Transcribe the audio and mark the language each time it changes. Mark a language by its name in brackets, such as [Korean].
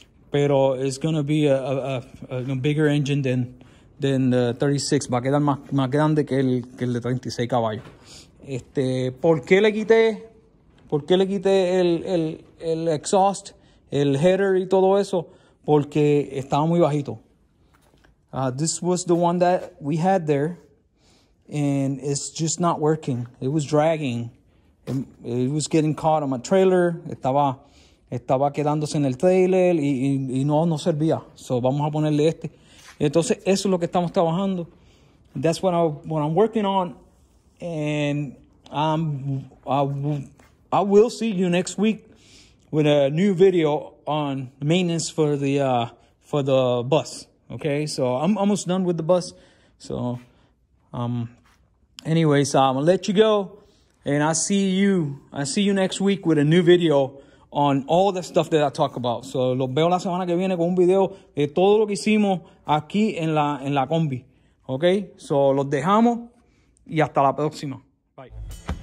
[Spanish] Pero [English] it's going to be a bigger engine than the 36. [Spanish] Va a quedar más grande que el de 36 caballos. ¿Por qué le quité el exhaust, el header y todo eso? Porque estaba muy bajito. [English] This was the one that we had there. And it's just not working. It was dragging. It was getting caught on my trailer. [Spanish] Estaba quedándose en el trailer y no servía. So vamos a ponerle este. Entonces eso es lo que estamos trabajando. [English] That's what I'm working on. And I will see you next week with a new video on maintenance for the bus. Okay, so I'm almost done with the bus. So anyways, I'm gonna let you go. And I see you next week with a new video on all the stuff that I talk about. [Spanish] So, los veo la semana que viene con un video de todo lo que hicimos aquí en la combi. Okay? So, los dejamos y hasta la próxima. Bye.